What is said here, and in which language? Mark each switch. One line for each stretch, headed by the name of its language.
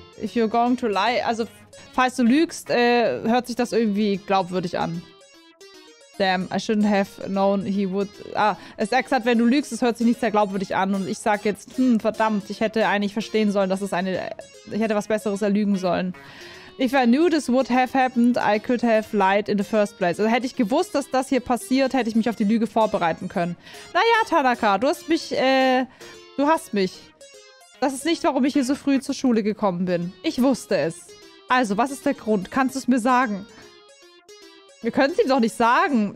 English: If you're going to lie.
German: Also, falls du lügst, hört sich das irgendwie glaubwürdig an. Damn, I shouldn't have known he would. Ah, es sagt, wenn du lügst, es hört sich nicht sehr glaubwürdig an. Und ich sag jetzt, verdammt, ich hätte eigentlich verstehen sollen, dass es eine. Ich hätte was Besseres erlügen sollen.
English: If I knew this would have happened, I could have lied in the first place.
German: Also hätte ich gewusst, dass das hier passiert, hätte ich mich auf die Lüge vorbereiten können. Naja, Tanaka, du hast mich, du hast mich. Das ist nicht, warum ich hier so früh zur Schule gekommen bin. Ich wusste es. Also, was ist der Grund? Kannst du es mir sagen? Wir können es ihm doch nicht sagen.